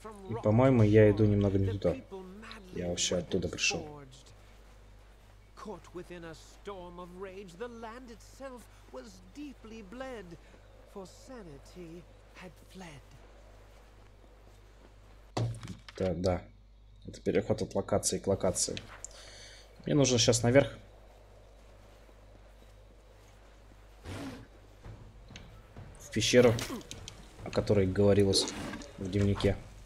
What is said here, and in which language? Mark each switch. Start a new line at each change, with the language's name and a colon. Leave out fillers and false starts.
Russian: И, по-моему, я иду немного не туда. Я вообще оттуда пришел.
English: Caught within a storm of rage, the land itself was deeply bled, for sanity had fled.
Russian: Да. Это переход от локации к локации. Мне нужно сейчас наверх. В пещеру, о которой говорилось в дневнике.